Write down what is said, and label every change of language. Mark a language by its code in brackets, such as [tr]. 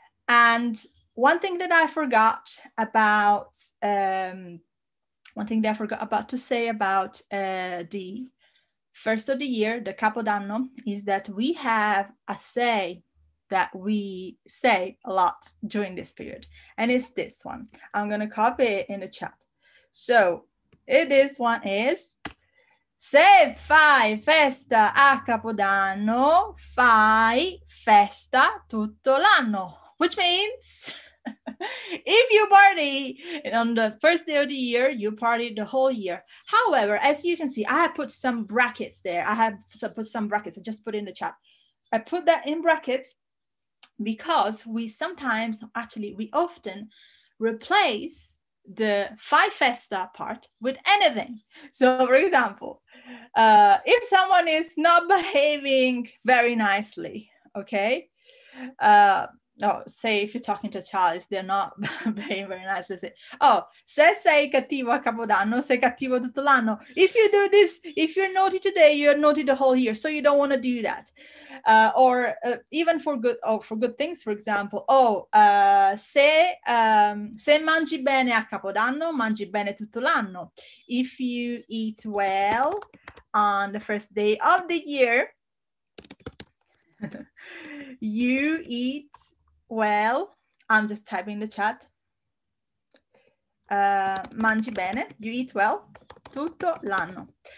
[en] And one thing that I forgot about, the first of the year, the Capodanno, is that we have a say that we say a lot during this period. And it's this one. I'm gonna copy it in the chat. So this one is [it] Se fai festa a Capodanno, fai festa tutto l'anno. [en] Which means, if you party on the first day of the year, you party the whole year. However, as you can see, I have put some brackets there. I have put some brackets. I just put in the chat. I put that in brackets because we sometimes, actually, we often replace the fai festa part with anything. So, for example, if someone is not behaving very nicely, okay? Say if you're talking to a child, they're not behaving very nicely. Say, oh, [it] se sei cattivo a Capodanno, sei cattivo tutto l'anno. [en] If you do this, if you're naughty today, you're naughty the whole year. So you don't want to do that. Or even for good things, for example, [it] se mangi bene a Capodanno, mangi bene tutto l'anno. [en] If you eat well on the first day of the year, you eat well. I'm just typing the chat. [it] Mangi bene, [en] you eat well [it] tutto l'anno.